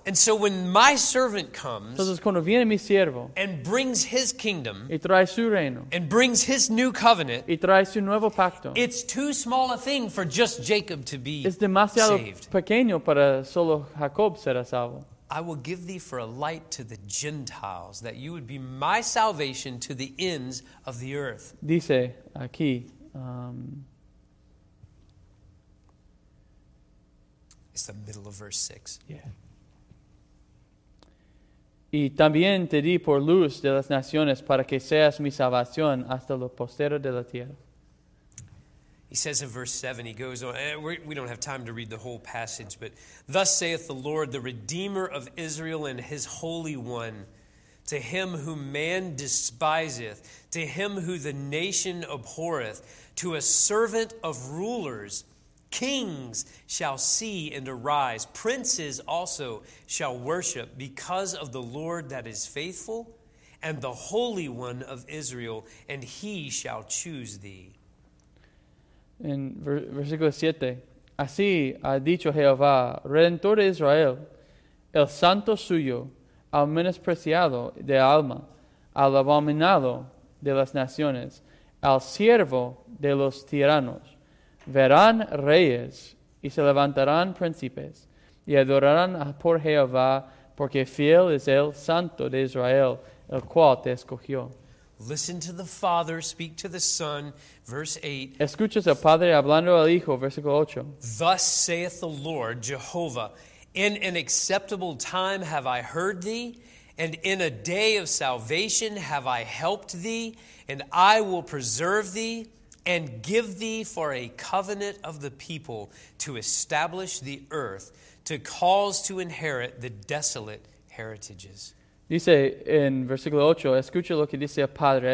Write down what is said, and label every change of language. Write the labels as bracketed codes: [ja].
[en] And so when my servant comes. [es] Entonces cuando viene mi siervo. [en] And brings his kingdom. [es] Y trae su reino. [en] And brings his new covenant. [es] Y trae su nuevo pacto. [en] It's too small a thing for just Jacob to be saved. [es] Es demasiado pequeño para solo Jacob será salvo. [en] I will give thee for a light to the Gentiles, that you would be my salvation to the ends of the earth. [es] Dice aquí. [en] It It's the middle of verse 6. [es] Yeah. Y también te di por luz de las naciones para que seas mi salvación hasta lo postero de la tierra. [en] He says in verse 7, he goes on, we don't have time to read the whole passage, but thus saith the Lord, the Redeemer of Israel and his Holy One, to him whom man despiseth, to him who the nation abhorreth, to a servant of rulers, kings shall see and arise, princes also shall worship because of the Lord that is faithful and the Holy One of Israel, and he shall choose thee. [es] En versículo 7, así ha dicho Jehová, Redentor de Israel, el santo suyo, al menospreciado de alma, al abominado de las naciones, al siervo de los tiranos. Verán reyes y se levantarán príncipes y adorarán por Jehová, porque fiel es el santo de Israel, el cual te escogió. [en] Listen to the Father speak to the Son, verse 8. [es] Escuchas al Padre hablando al Hijo, versículo 8. [en] Thus saith the Lord, Jehovah, in an acceptable time have I heard thee, and in a day of salvation have I helped thee, and I will preserve thee, and give thee for a covenant of the people to establish the earth, to cause to inherit the desolate heritages. [es] Dice en versículo 8, escucha lo que dice el Padre.